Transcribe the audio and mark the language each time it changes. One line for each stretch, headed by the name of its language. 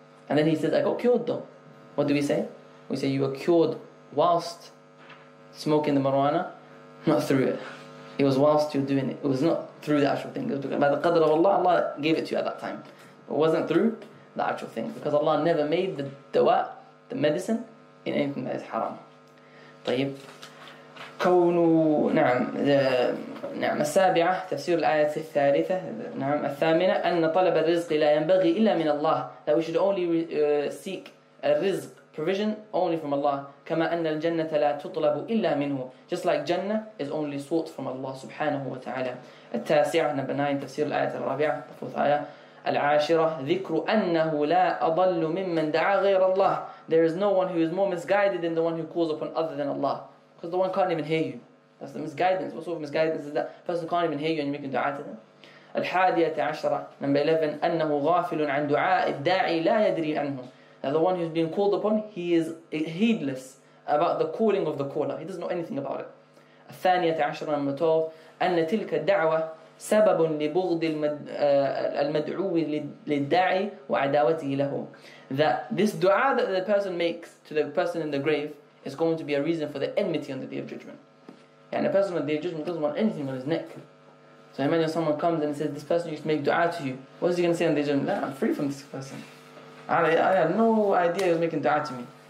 English: And then he says, I got cured though. What do we say? We say you were cured whilst smoking the marijuana, not through it. It was whilst you're doing it. It was not through the actual thing. It was because by the qadr of Allah, Allah gave it to you at that time. It wasn't through the actual thing. Because Allah never made the dawa, the medicine, in anything that is haram.
Arabic: طيب. كونوا نعم نعم السابعة تفسير الآية الثالثة نعم الثامنة أن طلب الرزق لا ينبغي إلا من الله.
English: That we should only seek الرزق, provision only from Allah.
Arabic: كما أن الجنة لا تطلب إلا منه.
English: Just like Jannah is only sought from Allah سبحانه وتعالى.
Arabic: التاسعة
English: number 9
Arabic: تفسير الآية الرابعة فوث آية العاشرة ذكر أنه لا أضل ممن دعا غير الله.
English: There is no one who is more misguided than the one who calls upon other than Allah. Because the one can't even hear you. That's the misguidance. What sort of misguidance is that? The person can't even hear you and you're making dua to them.
Arabic: الحادية عشرة
English: number 11
Arabic: أنه غافل عن دعاء الداعي لا يدري عنه.
English: Now the one who's been called upon, he is heedless about the calling of the caller. He doesn't know anything about it.
Arabic: الثانية عشر من المتوف أن تلك الدعوة سبب لبغض المدعو للداعي وعداوته له.
English: That this dua that the person makes to the person in the grave is going to be a reason for the enmity on the day of judgment. And a person on the day of judgment doesn't want anything on his neck. So imagine someone comes and says, this person used to make dua to you. What is he going to say on the day of judgment? Nah, I'm free from this person. I had no idea he was making dua to me.